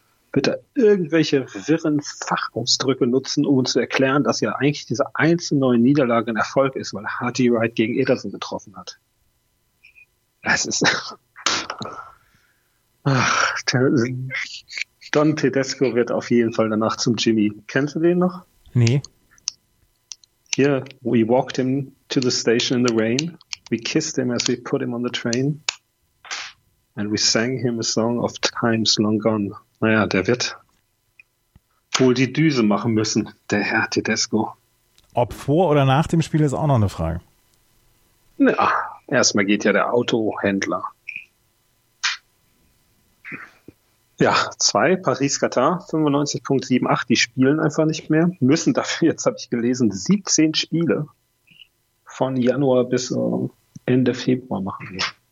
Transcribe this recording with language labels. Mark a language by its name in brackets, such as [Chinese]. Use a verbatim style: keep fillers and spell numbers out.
[German] Bitte irgendwelche wirren Fachausdrücke nutzen, um zu erklären, dass ja eigentlich diese eins zu neun Niederlage ein Erfolg ist, weil Hardy Wright gegen Ederson getroffen hat. Das ist... Ach, Don Tedesco wird auf jeden Fall danach zum Jimmy. Kennst du den noch? Nee. [English] Hier, we walked him to the station in the rain. We kissed him as we put him on the train and we sang him a song of times long gone. [German] Naja, der wird wohl die Düse machen müssen, der Herr Tedesco. Ob vor oder nach dem Spiel ist auch noch eine Frage. Ja, erstmal geht ja der Autohändler. Ja, zwei, Paris-Katar, fünfundneunzig Komma achtundsiebzig, die spielen einfach nicht mehr, müssen dafür, jetzt habe ich gelesen, siebzehn Spiele von Januar bis äh, Ende Februar machen wir.